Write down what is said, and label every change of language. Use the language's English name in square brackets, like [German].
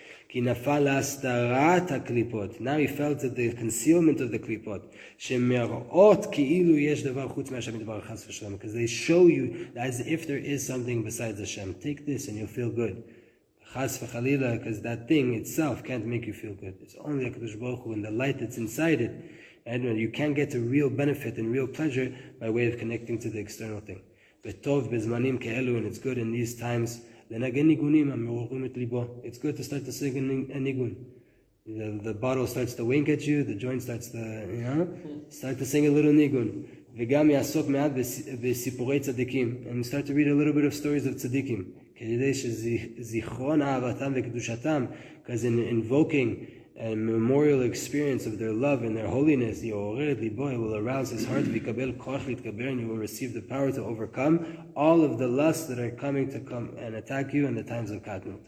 [Hebrew] כי נפל להסתרת הקליפות, [English] now he felt the concealment of the קליפות, [Hebrew] שמראות כאילו יש דבר חוץ מהשם מדבר חס ושלום, [English] because they show you as if there is something besides Hashem. Take this and you'll feel good. [Hebrew] חס וחלילה, [English] because that thing itself can't make you feel good. It's only a Kadosh Baruch Hu and the light that's inside it. And you can't get to real benefit and real pleasure by way of connecting to the external thing. [Hebrew] וטוב בזמנים כאלו, [English] and it's good in these times, [Hebrew] לנגן ניגונים המעוררים את ליבו. [English] It's good to start to sing a ניגון. The bottle starts to wink at you, the joint starts to, start to sing a little ניגון. [Hebrew] וגם יעסוק מעט בסיפורי צדיקים, [English] and start to read a little bit of stories of צדיקים. [Hebrew] כדי שזיכרון אהבתם וקדושתם, [English] because in invoking a memorial experience of their love and their holiness, [Hebrew] יעורר את ליבו, [English] it will arouse his heart, [Hebrew] ויקבל כוח להתגבר, [English] and he will receive the power to overcome all of the lusts that are coming to come and attack you in the times of Katnut.